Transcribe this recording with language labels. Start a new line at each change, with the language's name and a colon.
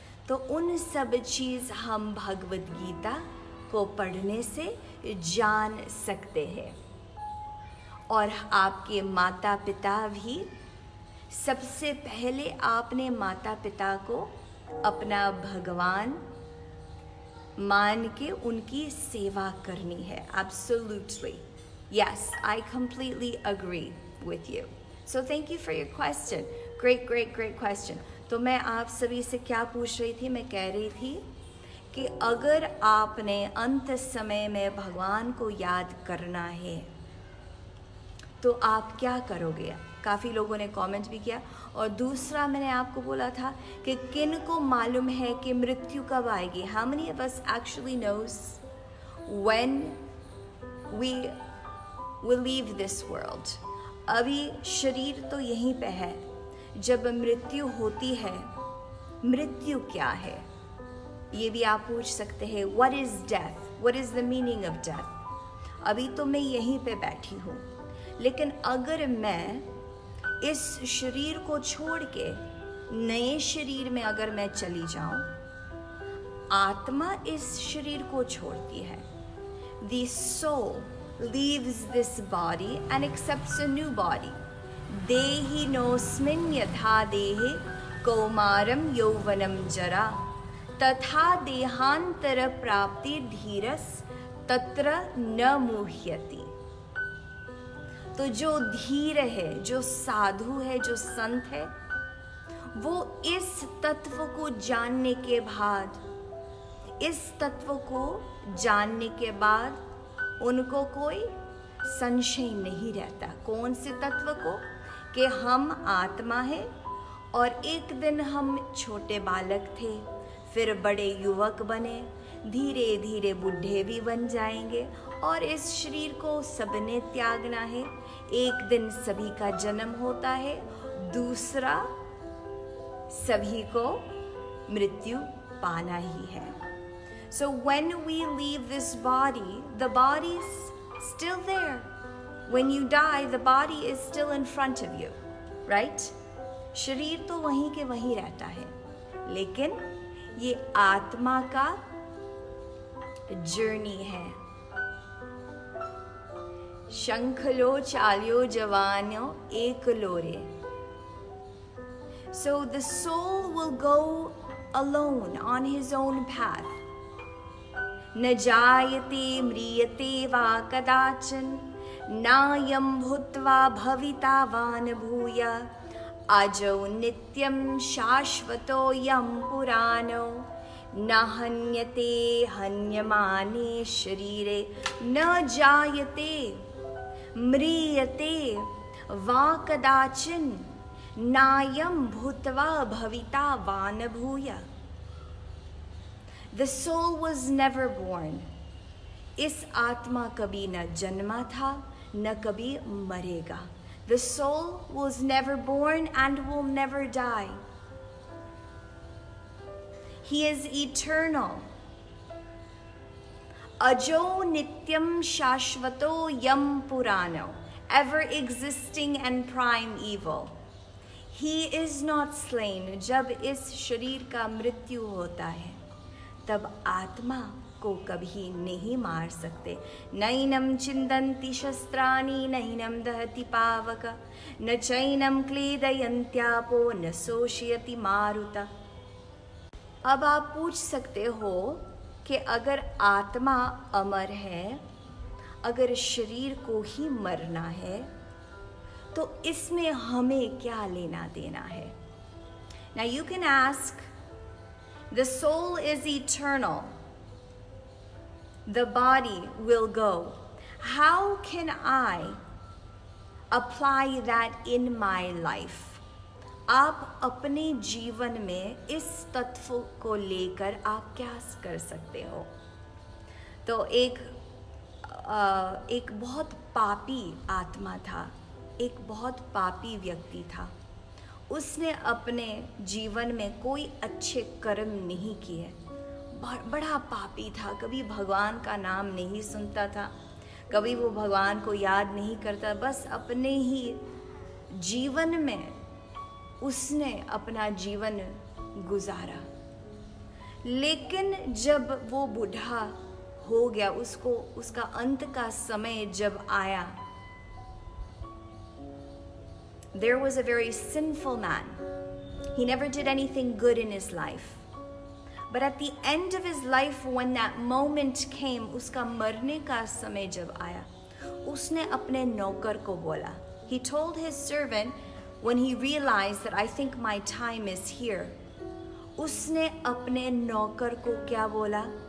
Hindi: तो उन सब चीज हम भगवत गीता को पढ़ने से जान सकते हैं. और आपके माता पिता भी, सबसे पहले आपने माता पिता को अपना भगवान मान के उनकी सेवा करनी है.
English: Absolutely. Yes, I completely agree with you. So thank you for your question. Great, great, great question.
Hindi: तो मैं आप सभी से क्या पूछ रही थी, मैं कह रही थी कि अगर आपने अंत समय में भगवान को याद करना है तो आप क्या करोगे. काफ़ी लोगों ने कमेंट भी किया. और दूसरा मैंने आपको बोला था कि किन को मालूम है कि मृत्यु कब आएगी.
English: How many of us actually knows when we will leave this world.
Hindi: अभी शरीर तो यहीं पे है. जब मृत्यु होती है, मृत्यु क्या है ये भी आप पूछ सकते हैं.
English: What is death? What is the meaning of death?
Hindi: अभी तो मैं यहीं पे बैठी हूँ, लेकिन अगर मैं इस शरीर को छोड़ के नए शरीर में अगर मैं चली जाऊँ, आत्मा इस शरीर को छोड़ती है.
English: The soul leaves this body and accepts a new body.
Sanskrit: Dehi nosmin yatha dehe kaumaram yovanam jara tatha dehantara prapti dhiras tatra na muhyati.
Hindi: तो जो धीर है, जो साधु है, जो संत है, वो इस तत्व को जानने के बाद, इस तत्व को जानने के बाद उनको कोई संशय नहीं रहता। कौन से तत्व को? कि हम आत्मा है, और एक दिन हम छोटे बालक थे, फिर बड़े युवक बने, धीरे धीरे बूढ़े भी बन जाएंगे, और इस शरीर को सबने त्यागना है। एक दिन सभी का जन्म होता है, दूसरा सभी को मृत्यु पाना ही है।
English: So when we leave this body, the body's still there. When you die, the body is still in front of you, right?
Hindi: शरीर तो वहीं के वहीं रहता है, लेकिन ये आत्मा का जर्नी है। शंख लो चालियो जवानो एक लोरे।
English: So the soul will go alone on his own path.
Sanskrit: न जायते म्रियते वा कदाचन नायं भूत्वा भविता वान भूय अजौ नित्यं शाश्वतो यं पुराणो न हन्यते हन्यमाने शरीरे न जायते म्रियते वा कदाचन नायं भूत्वा भविता वान भूय।
English: The soul was never born.
Hindi: इस आत्मा कभी न जन्मा था, न कभी मरेगा।
English: The soul was never born and will never die. He is eternal.
Sanskrit: अजो नित्यम शाश्वतो यम पुरानो,
English: ever existing and prime evil. He is not slain.
Hindi: जब इस शरीर का मृत्यु होता है, तब आत्मा को कभी नहीं मार सकते।
Sanskrit: नैनम चिंदन्ति शस्त्राणि नैनम दहति पावक न चैनम क्लेदयन्त्यापो न शोषयति मारुत।
Hindi: अब आप पूछ सकते हो कि अगर आत्मा अमर है, अगर शरीर को ही मरना है, तो इसमें हमें क्या लेना देना है?
English: Now you can ask, the soul is eternal. The body will go. How can I apply that in my life?
Hindi: आप अपने जीवन में इस तत्व को लेकर आप क्या कर सकते हो? तो एक बहुत पापी आत्मा था, एक बहुत पापी व्यक्ति था। उसने अपने जीवन में कोई अच्छे कर्म नहीं किए, बड़ा पापी था, कभी भगवान का नाम नहीं सुनता था, कभी वो भगवान को याद नहीं करता, बस अपने ही जीवन में उसने अपना जीवन गुजारा। लेकिन जब वो बूढ़ा हो गया, उसको उसका अंत का समय जब आया,
English: there was a very sinful man. He never did anything good in his life. But at the end of his life, when that moment came,
Hindi: uska marne ka samay jab aaya, usne apne naukar ko bola.
English: He told his servant, when he realized that I think my time is here,
Hindi: usne apne naukar ko kya bola?